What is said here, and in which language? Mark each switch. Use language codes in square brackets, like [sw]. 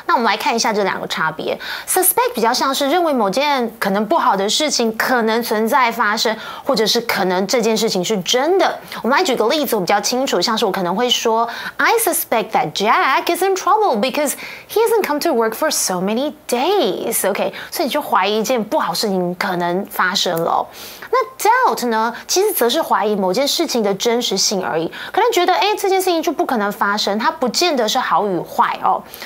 [zh] 那我们来看一下这两个差别。Suspect 比较像是认为某件可能不好的事情可能存在发生，或者是可能这件事情是真的。我们来举个例子，我比较清楚。像是我可能会说 [en] ，I suspect that Jack is in trouble because he hasn't come to work for so many days. [zh] OK, 所以你就怀疑一件不好事情可能发生了。那 doubt 呢，其实则是怀疑某件事情的真实性而已，可能觉得哎，这件事情就不可能发生，它不见得是好与坏哦。